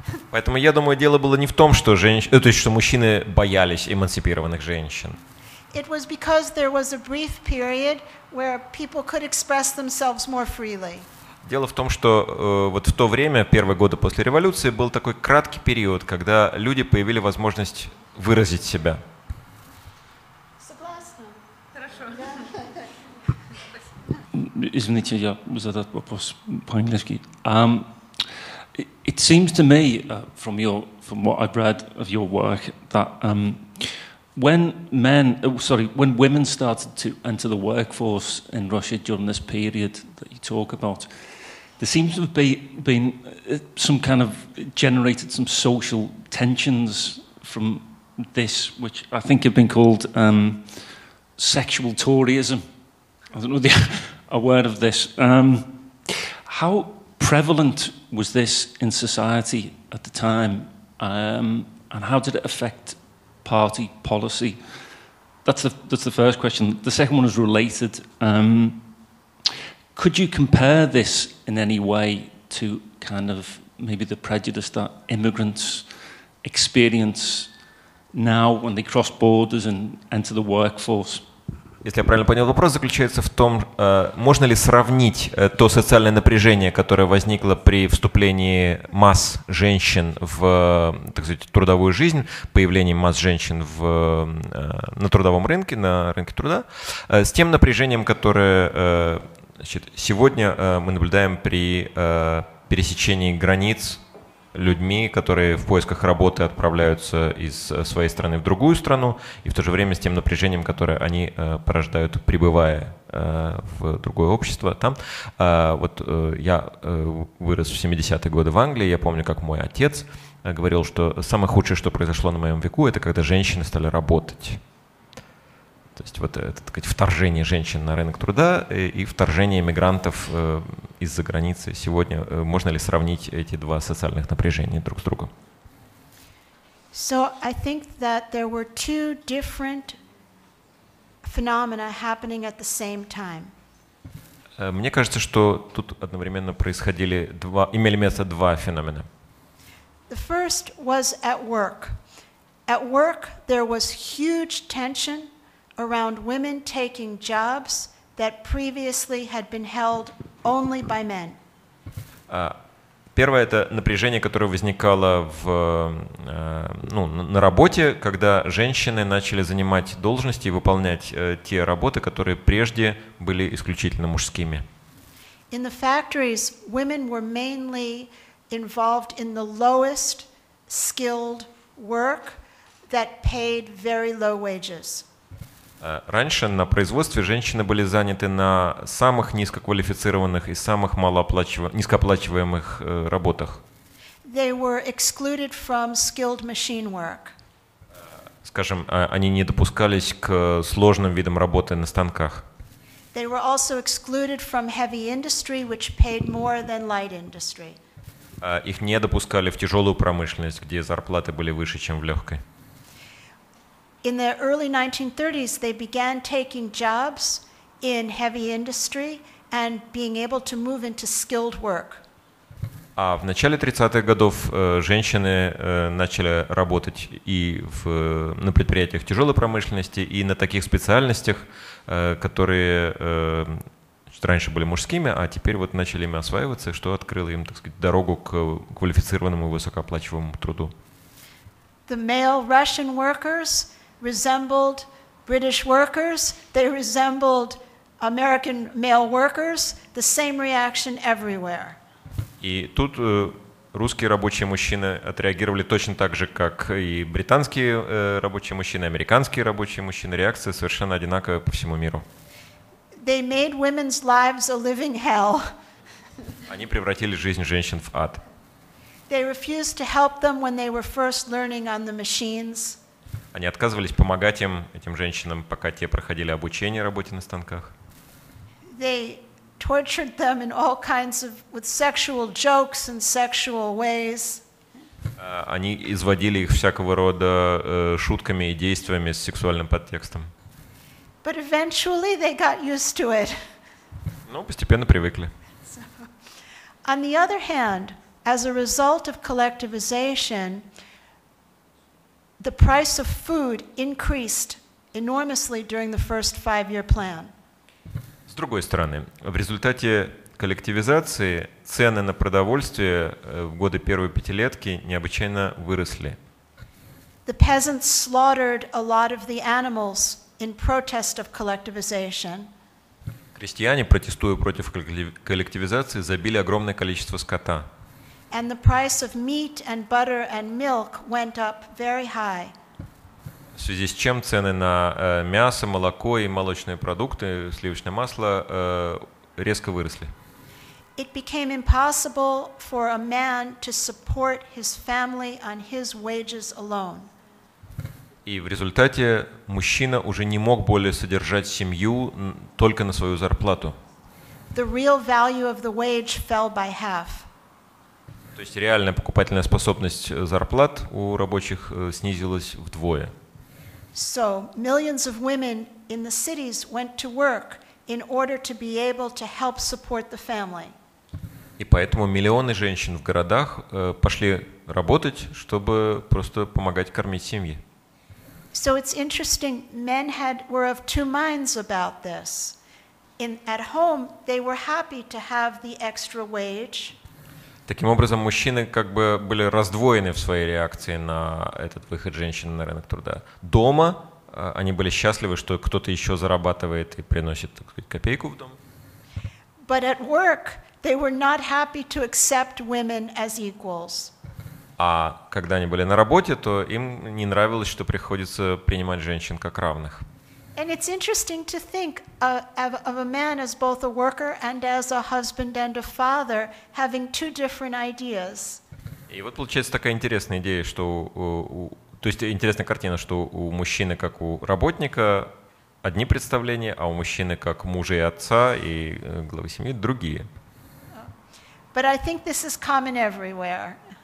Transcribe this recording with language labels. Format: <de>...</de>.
<ru>Поэтому я думаю, дело было не в том, что женщины, то есть что мужчины боялись эмансипированных женщин.</ru> <en>It was because there was a brief period where people could express themselves more freely.</en> <ru>Дело в том, что вот в то время, первые годы после революции, был такой краткий период, когда люди появили возможность выразить себя. Извините, я задал вопрос по-английски.</ru> <en>It seems to me from what I've read of your work that when women started to enter the workforce in Russia during this period that you talk about, there seems to have been some kind of generated some social tensions from this, which I think have been called sexual Toryism. I don't know the a word of this. How prevalent was this in society at the time, and how did it affect party policy? That's the first question. The second one is related. Could you compare this in any way to kind of maybe the prejudice that immigrants experience now when they cross borders and enter the workforce?</en> <ru>Если я правильно понял, вопрос заключается в том, можно ли сравнить то социальное напряжение, которое возникло при вступлении масс женщин в, так сказать, трудовую жизнь, появлении масс женщин на трудовом рынке, на рынке труда, с тем напряжением, которое, значит, сегодня мы наблюдаем при пересечении границ людьми, которые в поисках работы отправляются из своей страны в другую страну, и в то же время с тем напряжением, которое они порождают, прибывая в другое общество. Там, я вырос в 70-е годы в Англии, я помню, как мой отец говорил, что самое худшее, что произошло на моем веку, это когда женщины стали работать. То есть вот это, так сказать, вторжение женщин на рынок труда и вторжение мигрантов из-за границы. Сегодня можно ли сравнить эти два социальных напряжения друг с другом?</ru> <en>So I think that there were two different phenomena happening at the same time.</en> <ru>Мне кажется, что тут одновременно происходили два, имели место два феномена.</ru> <en>The first was at work. At work there was huge tension around women taking jobs that previously had been held only by men.</en> <ru>Первое — это напряжение, которое возникало на работе, когда женщины начали занимать должности и выполнять те работы, которые прежде были исключительно мужскими.</ru> <en>In the factories, women were mainly involved in the lowest skilled work that paid very low wages.</en> <ru>Раньше на производстве женщины были заняты на самых низкоквалифицированных и самых низкооплачиваемых работах.</ru> <en>They were excluded from skilled machine work.</en> <ru>Скажем, они не допускались к сложным видам работы на станках.</ru> <en>They were also excluded from heavy industry, which paid more than light industry.</en> <ru>Их не допускали в тяжелую промышленность, где зарплаты были выше, чем в легкой.</ru> <en>In the early 1930s, they began taking jobs in heavy industry and being able to move into skilled work.</en> <ru>А в начале 30-х годов женщины начали работать и на предприятиях тяжелой промышленности, и на таких специальностях, которые раньше были мужскими, а теперь вот начали ими осваиваться, что открыло им, так сказать, дорогу к квалифицированному и высокооплачиваемому труду.</ru> <en>The male Russian workers resembled British workers, they resembled American male workers, the same reaction everywhere.</en> <ru>И тут русские рабочие мужчины отреагировали точно так же, как и британские рабочие мужчины, американские рабочие мужчины. Реакция совершенно одинаковая по всему миру.</ru> <en>They made women's lives a living hell.</en> <ru>Они превратили жизнь женщин в ад.</ru> <en>They refused to help them when they were first learning on the machines.</en> <ru>Они отказывались помогать им, этим женщинам, пока те проходили обучение работе на станках.</ru> <en>They tortured them in all kinds of with sexual jokes and sexual ways.</en> <ru>Они изводили их всякого рода шутками и действиями с сексуальным подтекстом.</ru> <en>But eventually they got used to it.</en> <ru>Ну, постепенно привыкли.</ru> <en>On the other hand, as a result of collectivization, the price of food increased enormously during the first five-year plan.</en> <ru>С другой стороны, в результате коллективизации цены на продовольствие в годы первой пятилетки необычайно выросли.</ru> <en>The peasants slaughtered a lot of the animals in protest of collectivization.</en> <ru>Крестьяне, протестуя против коллективизации, забили огромное количество скота.</ru> <en>And the price of meat and butter and milk went up very high.</en> <ru>В связи с чем цены на мясо, молоко и молочные продукты, сливочное масло резко выросли.</ru> <en>It became impossible for a man to support his family on his wages alone.</en> <ru>И в результате мужчина уже не мог более содержать семью только на свою зарплату.</ru> <en>The real value of the wage fell by half.</en> <ru>То есть реальная покупательная способность зарплат у рабочих снизилась вдвое.</ru> <en>So millions of women in the cities went to work in order to be able to help support the family.</en> <ru>И поэтому миллионы женщин в городах пошли работать, чтобы просто помогать кормить семьи.</ru> <en>So it's interesting, men were of two minds about this. At home, they were happy to have the extra wage.</en> <ru>Таким образом, мужчины как бы были раздвоены в своей реакции на этот выход женщин на рынок труда. Дома они были счастливы, что кто-то еще зарабатывает и приносит, так сказать, копейку в дом.</ru> <en>But at work, they were not happy to accept women as equals.</en> <ru>А когда они были на работе, то им не нравилось, что приходится принимать женщин как равных.</ru> <en>And it's interesting to think of a man as both a worker and as a husband and a father having two different ideas.</en> <ru>И вот получается такая интересная идея, что то есть интересная картина, что у мужчины как у работника одни представления, а у мужчины как мужа и отца и главы семьи другие.</ru> <en>But I think this is common everywhere.</en>